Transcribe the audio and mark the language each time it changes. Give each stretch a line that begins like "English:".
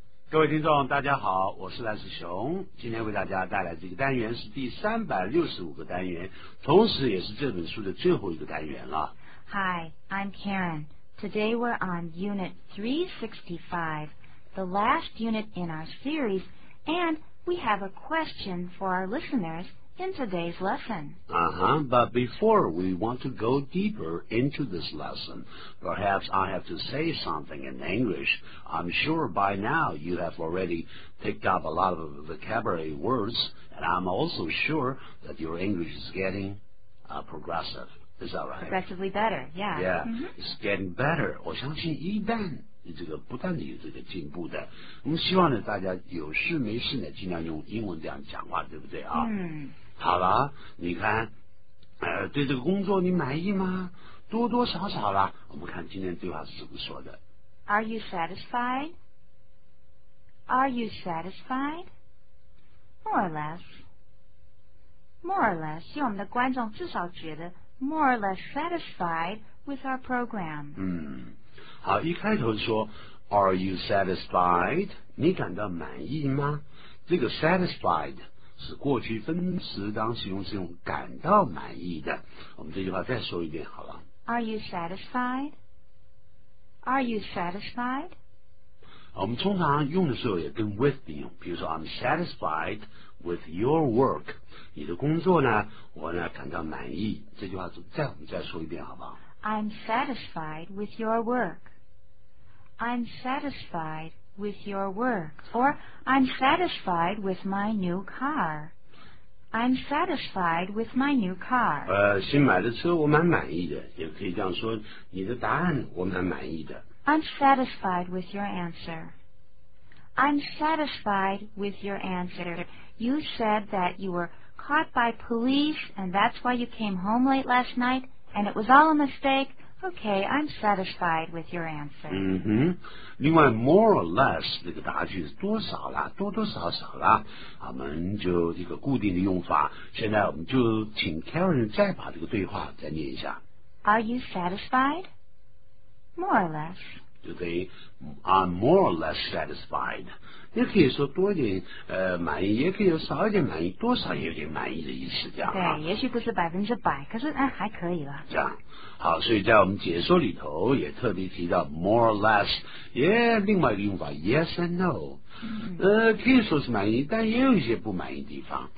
Chinese: 各位听众大家好，我是赖世雄，今天为大家带来这个单元是第365个单元，同时也是这本书的最后一个单元了。
English: Hi, I'm Karen. Today we're on Unit 365, the last unit in our series, and we have a question for our listeners in today's lesson. But before we want to go deeper into this lesson, perhaps I have to say something in English. I'm sure by now you have already picked up a lot of vocabulary words, and I'm also sure that your English is getting progressive. Is that right? Progressively better, yeah. Yeah,、mm-hmm. it's getting better.
Chinese: 我相信一旦这个不断的有这个进步的，我们希望呢大家有事没事呢尽量用英文这样讲话，对不对啊？嗯，好了，你看，对这个工作你满意吗？多多少少了，我们看今天对话是怎么说的。
English: Are you satisfied? Are you satisfied? More or less. More or less.
Chinese: 希望我们的观众至少觉得
English: more or less satisfied with our program.
Chinese: 嗯。好，一开头说
English: Are you satisfied?
Chinese: 你感到满意吗？这个 satisfied 是过去分词，当形容词用感到满意的。我们这句话再说一遍好了。
English: Are you satisfied? Are you satisfied?
Chinese: 我们通常用的时候也跟 with 并用，比如说
English: I'm satisfied with your work.
Chinese: 你的工作呢，我呢感到满意。这句话再我们再说一遍好不好？
English: I'm satisfied with your work. I'm satisfied with your work. Or, I'm satisfied with my new car. I'm satisfied with my new car.
Chinese: 新买的车我蛮满意的，也可以这样说，你的答案我蛮满意的。
English: I'm satisfied with your answer. I'm satisfied with your answer. You said that you were caught by police and that's why you came home late last night. And it was all a mistake. Okay, I'm satisfied with your answer.
Chinese: 嗯哼，另外
English: more or less
Chinese: 这个答句是多少啦，多多少少啦，我们就这个固定的用法。现在我们就请 Karen 再把这个对话再念一下。
English: Are you satisfied? More or less.
Chinese: 就可以
English: I'm more or less satisfied.
Chinese: 也可以说多一点满意，也可以说少一点满意，多少也有点满意的意思，这样。对，也许不是百分之百，可是还可以了。这样，好，所以在我们解说里头也特别提到
English: more or less，
Chinese: 另外一个用法
English: yes and no，
Chinese: 可以说是满意，但也有一些不满意的地方。